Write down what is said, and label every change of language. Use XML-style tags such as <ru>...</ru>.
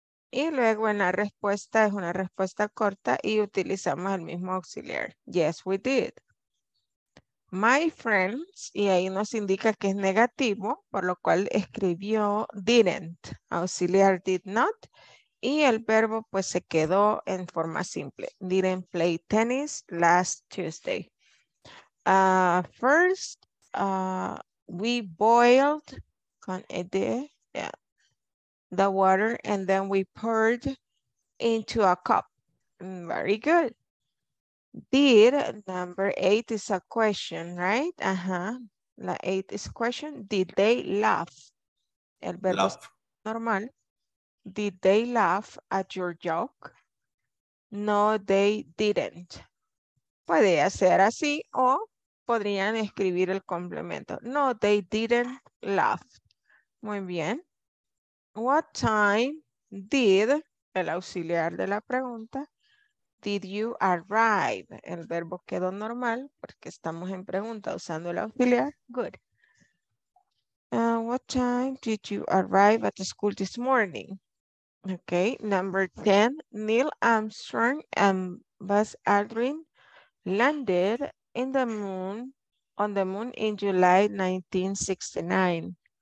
<es>Y luego en la respuesta, es una respuesta corta y utilizamos el mismo auxiliar.</es> <en>Yes, we did. My friends,</en> <es>y ahí nos indica que es negativo, por lo cual escribió didn't. Auxiliar</es> <en>did not.</en> <es>Y el verbo pues se quedó en forma simple.</es> <en>Didn't play tennis last Tuesday. First, we boiled con ED, yeah, the water, and then we poured into a cup. Very good. Did, number 8 is a question, right? Uh-huh.</en> <es>La 8</es> <en>is question. Did they laugh?</en> <es>El verbo</es> <en>laugh. Normal. Did they laugh at your joke? No, they didn't.</en> <es>Puede ser así, o podrían escribir el complemento.</es> <en>No, they didn't laugh.</en> <es>Muy bien.</es> <en>What time did,</en> <es>el auxiliar de la pregunta,</es> <en>did you arrive?</en> <es>El verbo quedó normal porque estamos en pregunta usando el auxiliar.</es> <en>Good. What time did you arrive at the school this morning? Okay, number 10. Neil Armstrong and Buzz Aldrin landed in the moon, on the moon in July 1969.</en>